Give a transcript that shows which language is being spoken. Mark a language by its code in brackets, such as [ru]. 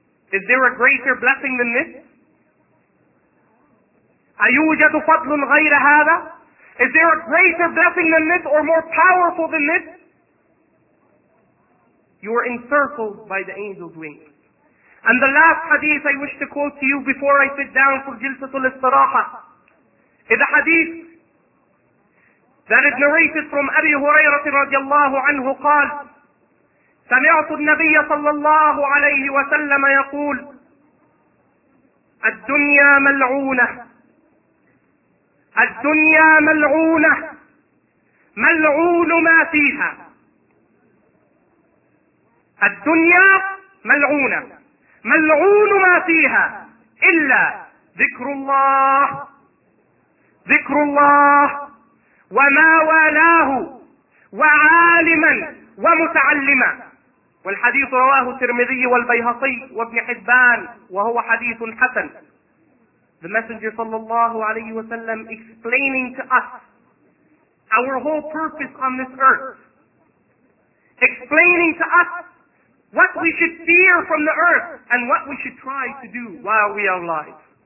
[en] Is there a greater blessing than this? [ar] أَيُوجَدُ فَضْلٌ غَيْرَ هَذَا? [en] Is there a greater blessing than this or more powerful than this? You are encircled by the angel's wings. And the last hadith I wish to quote to you before I sit down for جِلْسَةُ الْإِسْتَرَاحَةِ is a hadith that is narrated from Abi Hurairah radiallahu anhu qal, [ar] سمعت النبي صلى الله عليه وسلم يقول الدنيا ملعونة الدنيا ملعونة ملعون ما فيها الدنيا ملعونة ملعون ما فيها إلا ذكر الله ذكر الله وما والاه وعالما ومتعلما والحديث رواه الترمذي والبيهقي وابن حبان وهو حديث حسن. [en] The Messenger sallallahu alayhi wa sallam explaining to us our whole purpose on this earth, explaining to us what we should fear from the earth and what we should try to do while we are alive.